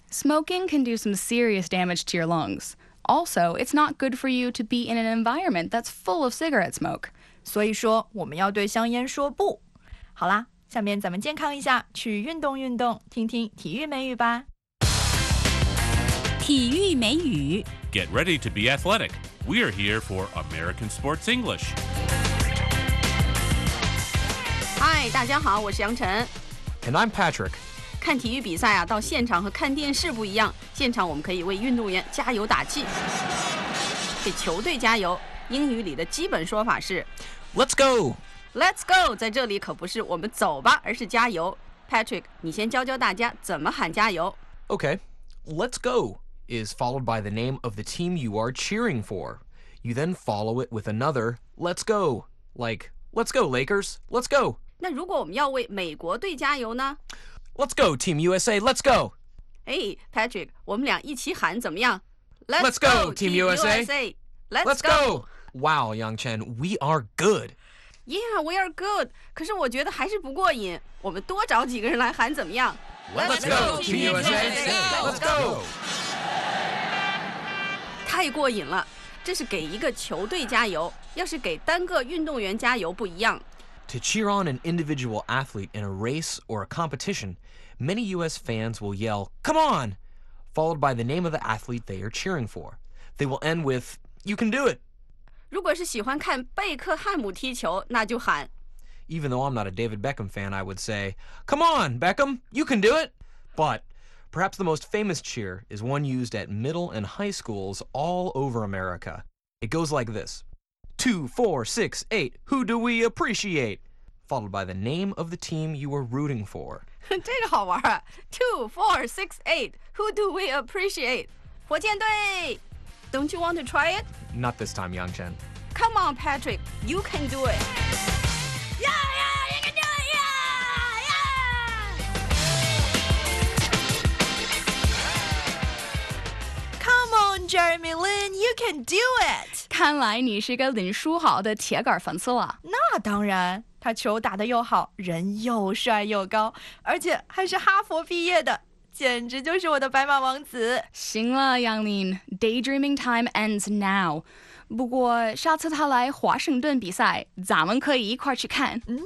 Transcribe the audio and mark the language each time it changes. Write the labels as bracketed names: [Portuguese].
[English] Smoking can do some serious damage to your lungs. Also, it's not good for you to be in an environment that's full of cigarette smoke. [Chinese] 所以说我们要对香烟说不。好啦，下面咱们健康一下，去运动运动，听听体育美语吧。体育美语。 [English] Get ready to be athletic. We are here for American Sports English. [Chinese] Hi, 大家好，我是杨晨。 [English] And I'm Patrick. [Chinese] 看体育比赛啊，到现场和看电视不一样，现场我们可以为运动员加油打气，给球队加油。英语里的基本说法是 [English] Let's go! Let's go! [Chinese] 在这里可不是我们走吧，而是加油。 Patrick, 你先教教大家怎么喊加油。 [English] Okay, let's go is followed by the name of the team you are cheering for. You then follow it with another let's go, like, let's go, Lakers, let's go. [Chinese] 那如果我们要为美国队加油呢？ [English] Let's go, Team USA, let's go! [Chinese] Hey, Patrick, 我们俩一起喊怎么样？ [English] Let's go, Team USA! Let's go! Wow, Yangchen, we are good. Yeah, we are good. [Chinese] 可是我觉得还是不过瘾。我们多找几个人来喊怎么样？ Let's go, Team USA! Let's go! 太过瘾了。这是给一个球队加油。要是给单个运动员加油不一样。 [English] To cheer on an individual athlete in a race or a competition, many US fans will yell, come on! Followed by the name of the athlete they are cheering for. They will end with... You can do it. [Chinese] 如果是喜欢看贝克汉姆踢球，那就喊。 [English] Even though I'm not a David Beckham fan, I would say, Come on, Beckham, you can do it. But perhaps the most famous cheer is one used at middle and high schools all over America. It goes like this. 2, 4, 6, 8, who do we appreciate? Followed by the name of the team you were rooting for. [Chinese] 这个好玩啊。 [English] 2, 4, 6, 8, who do we appreciate? [Chinese] 火箭队。 [English] Don't you want to try it? Not this time, Yangchen. Come on, Patrick. You can do it. Yeah, yeah, you can do it, yeah, yeah! Come on, Jeremy Lin, you can do it! [Chinese] 看来你是个林书豪的铁杆粉丝了。那当然，他球打得又好，人又帅又高，而且还是哈佛毕业的。简直就是我的白马王子。行了 [English] ,Yang Lin, daydreaming time ends now. [Chinese] 不过下次他来华盛顿比赛咱们可以一块去看。